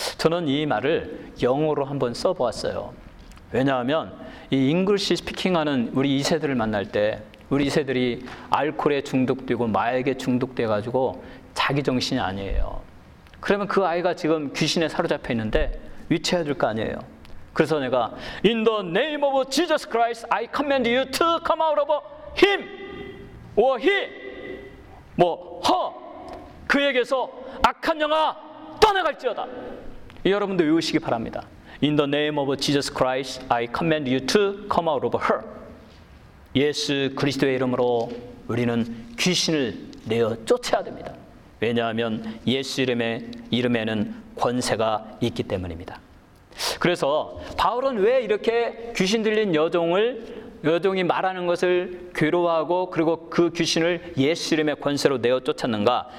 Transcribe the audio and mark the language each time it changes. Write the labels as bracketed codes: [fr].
[ko] 저는 이 말을 영어로 한번 써보았어요. 왜냐하면 이 잉글리시 스피킹하는 우리 2세들을 만날 때 우리 2세들이 알코올에 중독되고 마약에 중독돼가지고 자기정신이 아니에요. 그러면 그 아이가 지금 귀신에 사로잡혀 있는데 위치해야 될 거 아니에요. 그래서 내가 [en] In the name of Jesus Christ I command you to come out of him or he [ko] 뭐 [en] her [ko] 그에게서 악한 영아 떠나갈지어다. 여러분도 외우시기 바랍니다. [en] In the name of Jesus Christ, I command you to come out of her. [ko] 예수 그리스도의 이름으로 우리는 귀신을 내어 쫓아야 됩니다. 왜냐하면 예수 이름의 이름에는 권세가 있기 때문입니다. 그래서 바울은 왜 이렇게 귀신 들린 여종이 말하는 것을 괴로워하고 그리고 그 귀신을 예수 이름의 권세로 내어 쫓았는가?